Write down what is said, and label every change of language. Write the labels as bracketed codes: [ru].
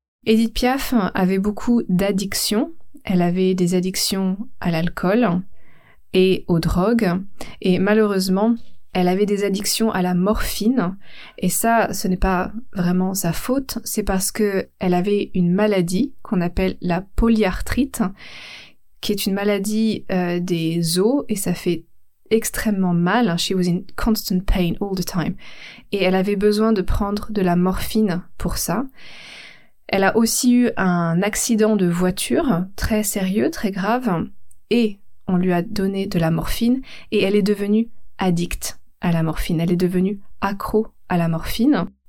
[fr] Édith Piaf avait beaucoup d'addictions, elle avait des addictions à l'alcool et aux drogues, et malheureusement, elle avait des addictions à la morphine, et ça, ce n'est pas vraiment sa faute, c'est parce qu'elle avait une maladie qu'on appelle la polyarthrite, qui est une maladie des os, et ça fait extrêmement mal. [en] She was in constant pain all the time. [fr] Et elle avait besoin de prendre de la morphine pour ça. Elle a aussi eu un accident de voiture, très sérieux, très grave, et on lui a donné de la morphine, et elle est devenue addict à la morphine, elle est devenue accro à la morphine.